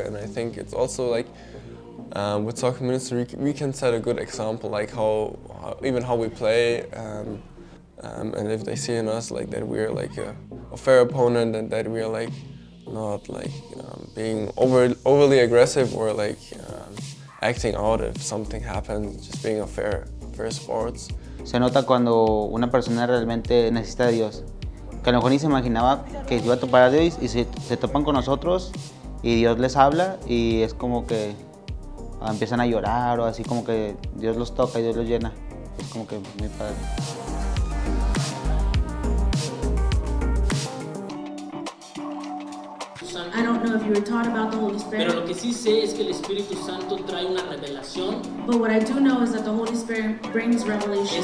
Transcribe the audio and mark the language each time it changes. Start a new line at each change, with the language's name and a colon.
English: And I think it's also like with soccer ministry we can set a good example, like how we play, and if they see in us like that we are like a fair opponent, and that we are like not like being overly aggressive or like acting out if something happens, just being a fair sports.
Spanish: Se nota cuando una persona realmente necesita a Dios. Que a lo mejor ni se imaginaba que iba a topar a Dios y se topan con nosotros y Dios les habla y es como que empiezan a llorar o así como que Dios los toca y Dios los llena. Es como que muy padre.
English: I don't know if you were taught about the Holy Spirit.
Spanish: Pero lo que sí sé es que el Espíritu Santo trae una revelación.
English: But what I do know is that the Holy Spirit brings revelation.